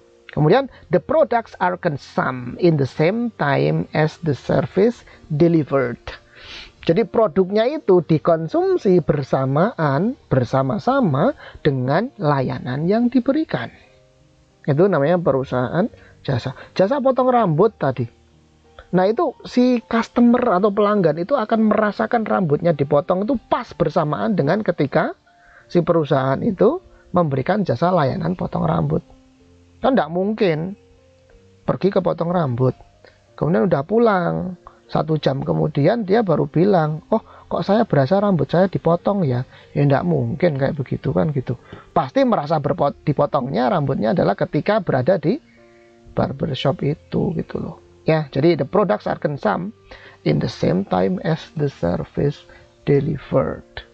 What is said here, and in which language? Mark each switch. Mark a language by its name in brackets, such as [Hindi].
[Indonesian] Kemudian, [English] the products are consumed in the same time as the service delivered. [Indonesian] Jadi produknya itu dikonsumsi bersama-sama dengan layanan yang diberikan. Itu namanya perusahaan jasa. Jasa potong rambut tadi. Nah itu si customer atau pelanggan itu akan merasakan rambutnya dipotong itu pas bersamaan dengan ketika si perusahaan itu memberikan jasa layanan potong rambut. Kan tidak mungkin pergi ke potong rambut, kemudian udah pulang. Satu jam kemudian dia baru bilang, oh kok saya berasa rambut saya dipotong ya. Ya enggak mungkin kayak begitu kan gitu. Pasti merasa dipotongnya rambutnya adalah ketika berada di barbershop itu gitu loh. Ya, jadi [English] the products are consumed in the same time as the service delivered.